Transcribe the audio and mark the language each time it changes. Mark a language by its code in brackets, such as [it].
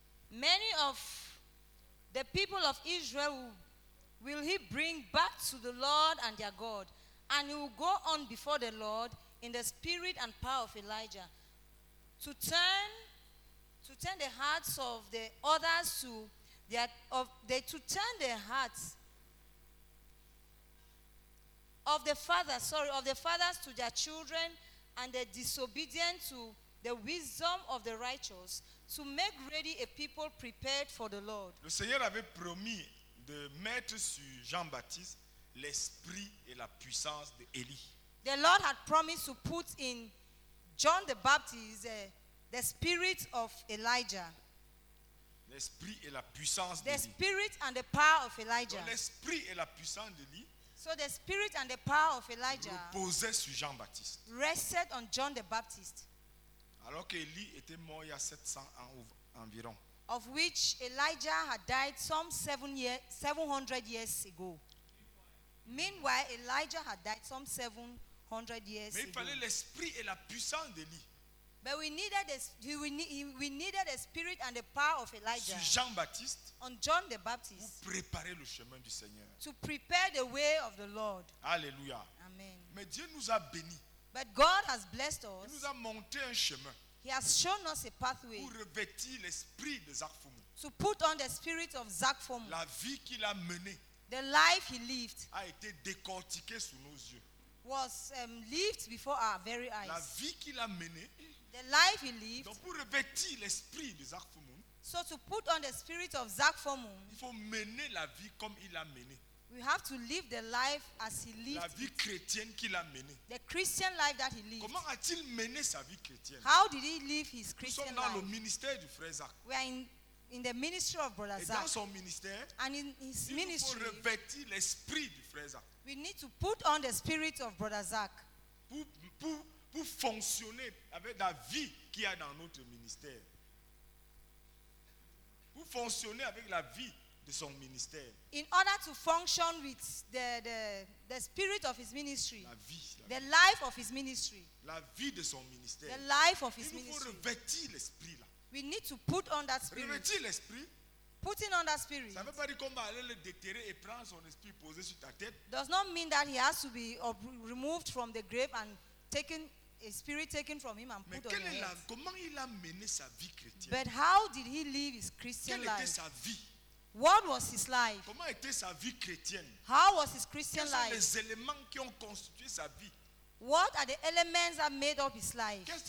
[en] Many of the people of Israel will he bring back to the Lord and their God, and he will go on before the Lord in the spirit and power of Elijah to turn the hearts of the others to turn the hearts of the fathers to their children and the disobedient to the wisdom of the righteous to make ready a people prepared for the Lord. [fr] Le Seigneur avait promis de mettre sur Jean-Baptiste l'esprit et la puissance de Élie. [en] The Lord had promised to put in John the Baptist the spirit of Elijah. [fr] L'esprit et la puissance d'Élie. [en] The spirit and the power of Elijah. [fr] Donc, l'esprit et la puissance d'Élie. [en] So the spirit and the power of Elijah [fr] reposait sur Jean-Baptiste. [en] Rested on John the Baptist. [fr] Alors qu'Élie était mort il y a 700 ans environ. [en] Of which Elijah had died some 700 years ago. Meanwhile, Elijah had died some 700 years ago. [fr] Mais il fallait l'esprit et la puissance d'Élie. [en] But we needed the spirit and the power of Elijah. [fr] Sur Jean-Baptiste. [en] On John the Baptist. [fr] Pour préparer le chemin du Seigneur. [en] To prepare the way of the Lord. [fr] Alléluia. [en] Amen. [fr] Mais Dieu nous a bénis. [en] But God has blessed us. [fr] Il nous a monté un chemin. [en] He has shown us a pathway. [fr] Pour revêtir l'esprit de Zac Fumo. [en] To put on the spirit of Zac Fumo. [fr] La vie qu'il a menée. [en] The life he lived. [fr] A été décortiquée sous nos yeux. [en] Was lived before our very eyes. [fr] La vie qu'il a menée. [en] The life he lived. [fr] Donc pour revêtir l'esprit de Zac Fumo. [en] So to put on the spirit of Zac Fumo. [fr] Il faut mener la vie comme il l'a menée. [en] We have to live the life as he lived. [fr] La vie chrétienne qu'il a menée. [en] The Christian life that he lived. [fr] Comment a-t-il mené sa vie chrétienne? [en] How did he live his Christian life? [fr] Nous sommes dans le ministère du frère Zach. [en] We are in the ministry of Brother Zach. [fr] Et dans son ministère, [en] and in his ministry, [fr] il faut revêtir l'esprit du frère Zach. [en] We need to put on the spirit of Brother Zach. [fr] Pour fonctionner avec la vie qu'il y a dans notre ministère. Pour fonctionner avec la vie de son ministère. [en] In order to function with the spirit of his ministry. [fr] La vie. La vie. [en] Life of his ministry. [fr] La vie de son ministère. [en] The life of his ministry. [fr] Il faut revêtir l'esprit là. [en] We need to put on that spirit. [fr] Revêtir l'esprit. [en] Putting on that spirit. [fr] Ça veut pas dire qu'on va aller le déterrer et prendre son esprit posé sur ta tête. [en] Does not mean that he has to be removed from the grave and taken a spirit taken from him and put on his head. [fr] Comment il a mené sa vie chrétienne? [en] But how did he live his Christian [fr] quelle [en] life? [fr] Était sa vie? [en] What was his life? [fr] Comment était sa vie chrétienne? [en] How was his Christian [fr] quels [en] life? [fr] Sont les éléments qui ont constitué sa vie? [en] What are the elements that made up his life?